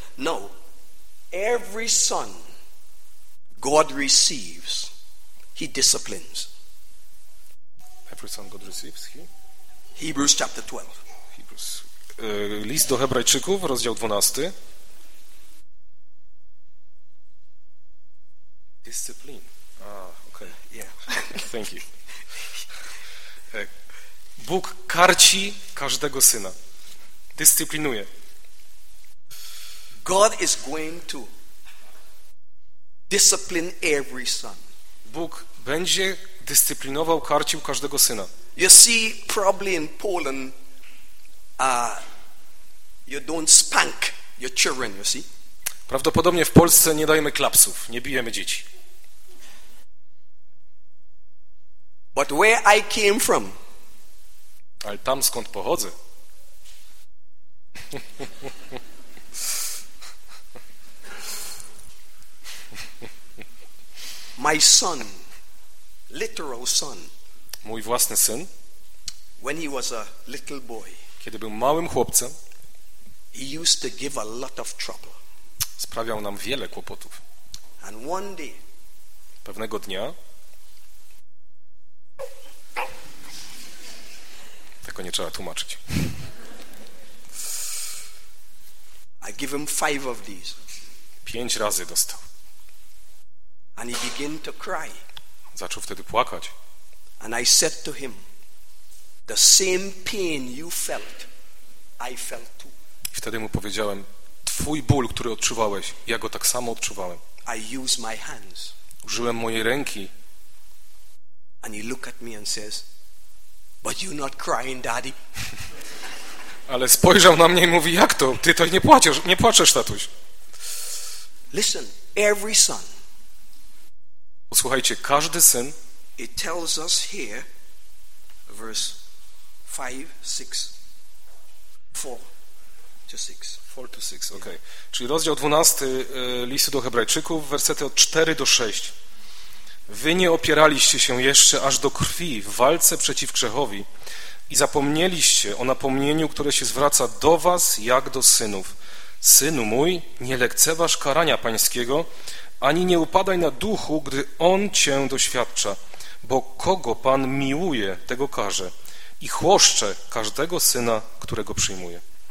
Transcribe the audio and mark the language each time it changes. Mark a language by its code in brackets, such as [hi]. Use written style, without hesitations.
[en] No. Every son God receives, he disciplines. Every son God receives, he? Hebrews chapter 12. Hebrews. [pl] List do Hebrajczyków, rozdział 12. [en] Discipline. Ah, okay. Yeah. Thank you. [pl] Bóg karci każdego syna. Dyscyplinuje. [en] God is going to discipline every son. [pl] Bóg będzie dyscyplinował, karcił każdego syna. [en] You see, probably in Poland, you don't spank your children, you see? [pl] Prawdopodobnie w Polsce nie dajemy klapsów, nie bijemy dzieci. [en] But where I came from, [pl] ale tam, skąd pochodzę. [en] My son, literal son, [pl] mój własny syn, [en] when he was a little boy, [pl] kiedy był małym chłopcem, [en] he used to give a lot of trouble. [pl] Sprawiał nam wiele kłopotów. [en] And one day, [pl] pewnego dnia, tego nie trzeba tłumaczyć. [en] I give him five of these. [pl] Pięć razy dostał. [en] And he began to cry. [pl] Zaczął wtedy płakać. [en] And I said to him, the same pain you felt, I felt too. [pl] I wtedy mu powiedziałem, twój ból, który odczuwałeś, ja go tak samo odczuwałem. [en] I use my hands. [pl] Użyłem mojej ręki. [en] And he looked at me and says, but you're not crying, daddy. [pl] Ale spojrzał na mnie i mówi, jak to? Ty to nie płaczesz, tatuś. [en] Listen, every son. [pl] Posłuchajcie, każdy syn. [en] It tells us here, verse 4 to 6. Okay. Yeah. [pl] Czyli rozdział 12 listu do Hebrajczyków, wersety od 4 do 6. Wy nie opieraliście się jeszcze aż do krwi w walce przeciw grzechowi i zapomnieliście o napomnieniu, które się zwraca do was jak do synów. Synu mój, nie lekceważ karania pańskiego, ani nie upadaj na duchu, gdy on cię doświadcza, bo kogo pan miłuje, tego karze i chłoszcze każdego syna, którego przyjmuje.